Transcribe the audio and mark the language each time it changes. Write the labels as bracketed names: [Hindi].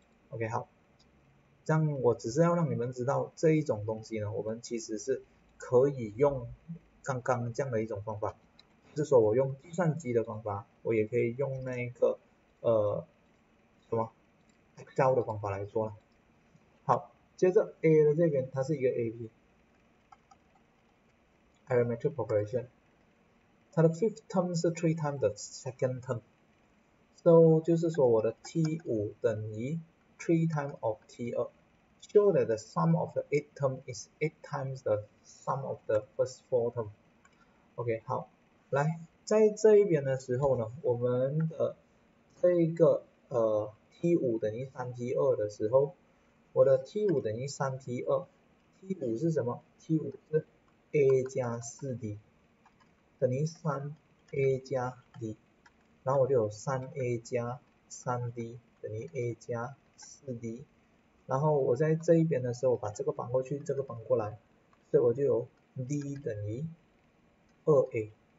[Chinese] OK，好，这样我只是要让你们知道这一种东西呢，我们其实是可以用刚刚这样的一种方法。是说我用计算机的方法，我也可以用那个什么 Excel 的方法来做了。好，接着 A 的这边它是一个 [English] AP，arithmetic progression，它的 fifth term 是 three times the second term，so [Chinese] 就是说我的 [English] T5 等于 three times of T2，show that the sum of the eight term is eight times the sum of the first four term。 OK，好。 [Chinese] 来，在这一边的时候呢，我们的这一个T5 等于3T2的时候，我的 T5 等于3T2，T5 是什么？T5 是 A 加 4D 等于 3A 加 D，然后我就有 3A 加 3D 等于 A 加 4D，然后我在这一边的时候，我把这个绑过去，这个绑过来，所以我就有 D 等于 2A。